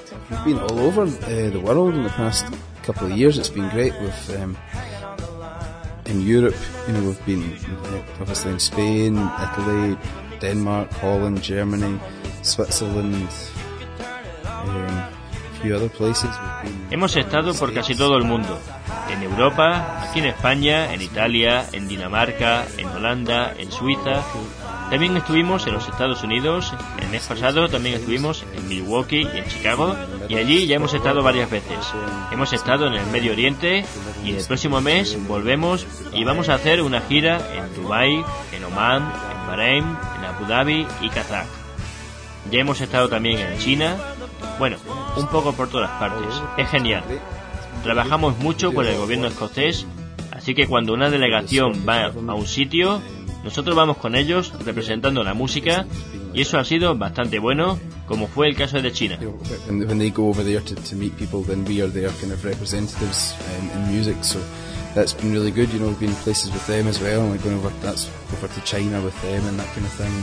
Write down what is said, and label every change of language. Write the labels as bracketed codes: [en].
[en] We've been all over the world in the past couple of years. It's been great. In Europe, you know, we've been obviously in Spain, Italy, Denmark, Holland, Germany, Switzerland, a few other places. [es] Hemos estado por casi todo el mundo. En Europa, aquí en España, en Italia, en Dinamarca, en Holanda, en Suiza. También estuvimos en los Estados Unidos. El mes pasado también estuvimos en Milwaukee y en Chicago, y allí ya hemos estado varias veces. Hemos estado en el Medio Oriente, y el próximo mes volvemos y vamos a hacer una gira en Dubái, en Omán, en Bahrein, en Abu Dhabi y Kazaj. Ya hemos estado también en China. Bueno, un poco por todas partes. Es genial. Trabajamos mucho con el gobierno escocés, así que cuando una delegación va a un sitio, nosotros vamos con ellos representando la música, y eso ha sido bastante bueno, como fue el caso de China. [en] When they go over there to meet people, then we are their kind of representatives in music, so that's been really good. You know, we've been places with them as well, and we're going over, that's over to China with them and that kind of thing.